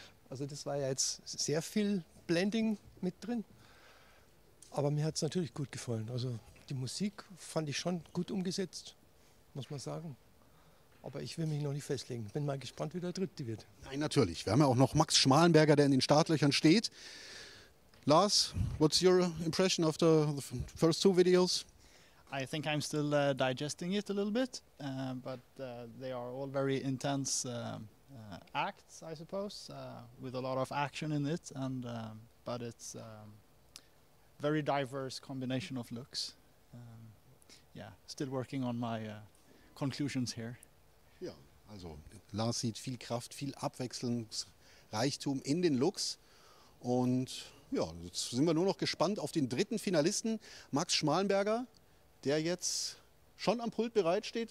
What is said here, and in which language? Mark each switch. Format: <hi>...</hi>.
<de>Also das war ja jetzt sehr viel Blending mit drin. Aber mir hat es natürlich gut gefallen. Also die Musik fand ich schon gut umgesetzt, muss man sagen. Aber ich will mich noch nicht festlegen. Bin mal gespannt, wie der dritte wird. Nein, natürlich. Wir haben ja auch noch Max Schmalenberger, der in den Startlöchern steht.</de> <en>Lars, what's your impression after the first two videos? I think I'm still digesting it a little bit, but they are all very intense acts, I suppose, with a lot of action in it, and but it's a very diverse combination of looks. Yeah, still working on my conclusions here.</en> <de>Ja, also Lars sieht viel Kraft, viel Abwechslungsreichtum in den Looks. Und ja, jetzt sind wir nur noch gespannt auf den dritten Finalisten, Max Schmalenberger, der jetzt schon am Pult bereitsteht.</de>